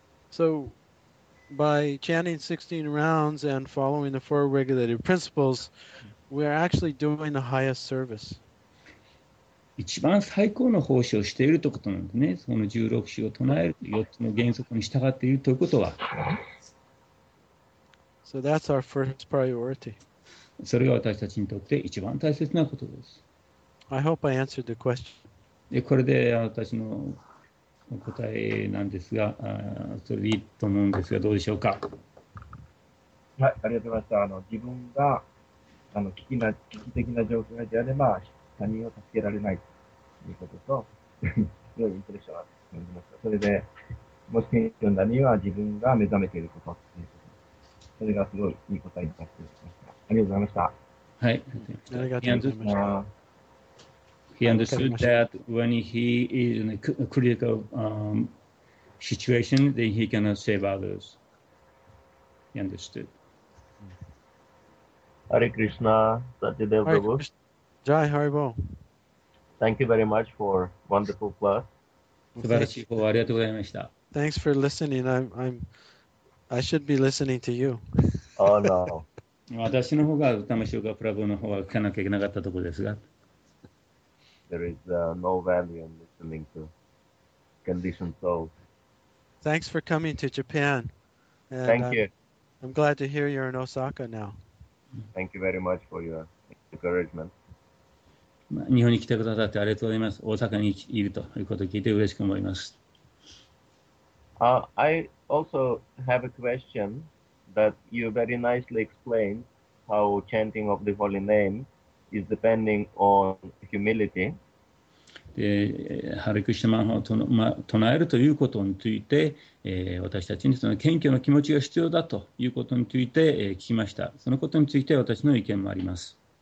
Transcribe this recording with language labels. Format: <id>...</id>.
<en>So, by chanting 16 rounds and following the four regulated principles, we are actually doing the highest service.</en> <ja>一番最高の奉仕をしているということなんですね。その16章を唱える4つの原則に従っているということは。</ja> <en>So that's our first priority.</en> <ja>それが私たちにとって一番大切なことです。</ja> <en>I hope I answered the question.</en> <ja>これで私の答えなんですが、それでいいと思うんですが、どうでしょうか。はい、ありがとうございました。自分が危機的な状況であれば、他人を助けられないということと、良いインプレッションだと思います。それで、もし研究の波は自分が目覚めていることということ。それがすごいいい答えになっていました。ありがとうございました。はい、ありがとうございました。</ja> <en>He understood that when he is in a critical situation, then he cannot save others. He understood. Hare Krishna, Satyadeva Prabhu. Jai Haribo. Thank you very much for wonderful class.</en> <ja>素晴らしい講話ありがとうございました。</ja> <en>Thanks for listening. I should be listening to you. Oh no.</en> <ja>私の方が歌舞伎プラブの方は聞かなきゃいけなかったところですが。</ja> <en>There is no value in listening to conditioned souls. Thanks for coming to Japan. And thank you. I'm glad to hear you're in Osaka now. Thank you very much for your encouragement.</en> <ja>日本に来てくださってありがとうございます。大阪にいるということを聞いて嬉しく思います。</ja> <en>I also have a question that you very nicely explained how chanting of the holy name is depending on humility.</en> <ja>で、ハレクリシナマンハを唱えるということについて、私たちにその謙虚の気持ちが必要だということについて、聞きました。そのことについて私の意見もあります。</ja>